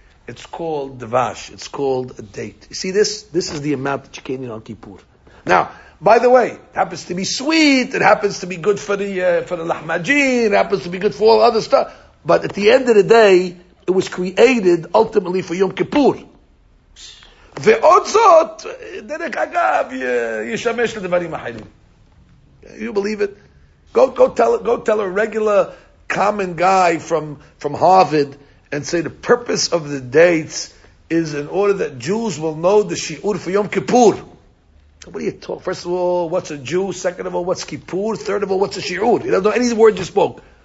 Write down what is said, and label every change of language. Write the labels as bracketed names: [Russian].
[English] It's called dvash. It's called a date. You see this? This is the amount that you can't eat on Kippur. Now, by the way, it happens to be sweet. It happens to be good for the lahmajin. It happens to be good for all other stuff. But at the end of the day, it was created ultimately for Yom Kippur. [Hebrew] ועוד זאת, דרך אגב, ישמש לדברים אחרים. [English] You believe it? Go tell a regular common guy from Harvard and say the purpose of the dates is in order that Jews will know the Shi'ur for Yom Kippur. What are you talking? First of all, what's a Jew? Second of all, what's Kippur? Third of all, what's a Shi'ur? He doesn't know any word you spoke.